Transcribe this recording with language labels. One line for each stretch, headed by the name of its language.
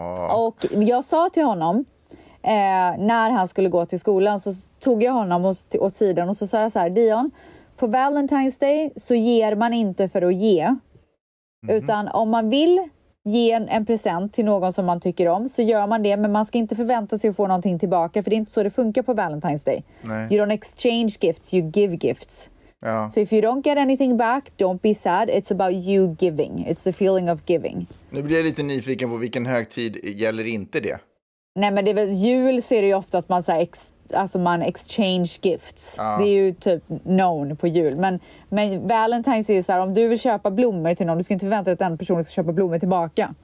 Swedish: Och jag sa till honom när han skulle gå till skolan så tog jag honom åt sidan och så sa jag så här: Dion, på Valentine's Day så ger man inte för att ge. Utan om man vill ge en present till någon som man tycker om så gör man det, men man ska inte förvänta sig att få någonting tillbaka, för det är inte så det funkar på Valentine's Day. Nej.
English: You don't exchange gifts, you give gifts.
Swedish: Ja.
English: So if you don't get anything back, don't be sad. It's about you giving. It's the feeling of giving.
Swedish: Nu blir jag lite nyfiken på vilken högtid gäller inte det? Nej, men det är väl, jul så är det ju ofta att man, så här, alltså man
English: exchange gifts.
Swedish: Ja. Det är ju typ known på jul. Men Valentine's är ju så här, om du vill köpa blommor till någon, du ska inte förvänta dig att den personen ska köpa blommor tillbaka.